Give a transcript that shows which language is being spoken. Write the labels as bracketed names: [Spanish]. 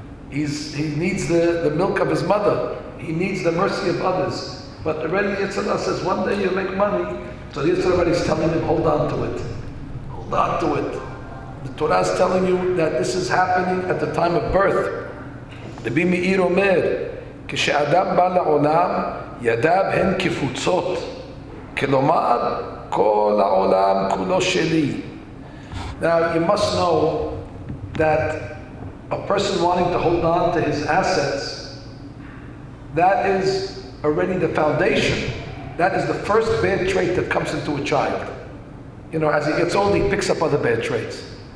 [English] He needs the milk of his mother. He needs the mercy of others. But already the Yetzirah says, one day you'll make money. So the Yetzirah already is telling him, hold on to it. Hold on to it. The Torah is telling you that this is happening at the time of birth. [Hebrew] רבי מאיר אומר, כשאדם בא לעולם, ידיו הן כפוצות. כלומר, כל העולם כולו שלי. [English] Now, you must know that a person wanting to hold on to his assets, that is already the foundation. That is the first bad trait that comes into a child. You know, as he gets older, he picks up other bad traits.